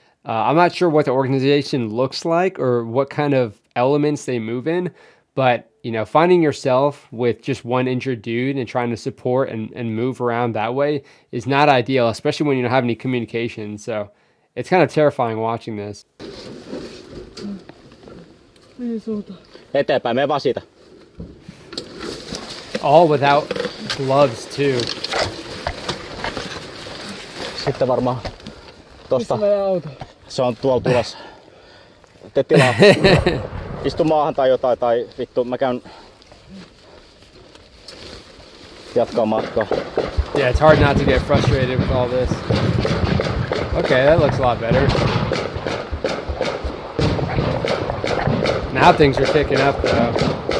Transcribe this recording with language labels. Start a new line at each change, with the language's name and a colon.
English: I'm not sure what the organization looks like or what kind of elements they move in, but, you know, finding yourself with just one injured dude and trying to support and move around that way is not ideal, especially when you don't have any communication, so... It's kind of terrifying watching this.
Finnish: Eteenpäin, mene vaan siitä.
English: All without gloves too.
Finnish: Sitten varmaan tosta. Missä meidän auto? Se on tuolla tulossa. Tee tilaa. Istu maahan tai jotain tai vittu, mä käyn jatkaa matkaa.
English: Yeah, it's hard not to get frustrated with all this. Okay, that looks a lot better. Now things are picking up though.